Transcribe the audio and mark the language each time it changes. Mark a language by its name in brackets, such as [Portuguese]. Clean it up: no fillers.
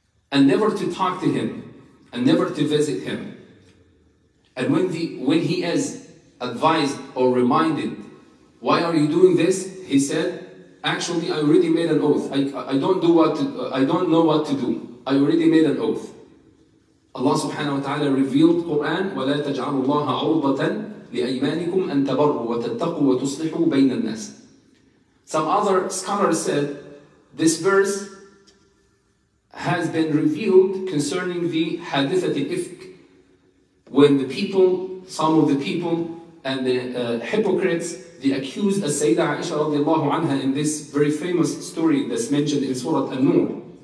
[English] And never to talk to him and never to visit him. And when he is advised or reminded, why are you doing this? He said, actually, I already made an oath. I don't know what to do. I already made an oath. Allah subhanahu wa ta'ala revealed Quran, [Arabic] وَلَا تَجْعَلُ اللَّهَ عُوضَةً لِأَيْمَانِكُمْ أَن تَبَرُّوا وَتَتَّقُوا وَتُصْلِحُوا بَيْنَ النَّاسِ. [English] Some other scholars said, this verse has been revealed concerning the hadith at ifk, when the people, some of the people, and the hypocrites, they accused Sayyidah Aisha radiallahu anha in this very famous story that's mentioned in Surah An-Nur.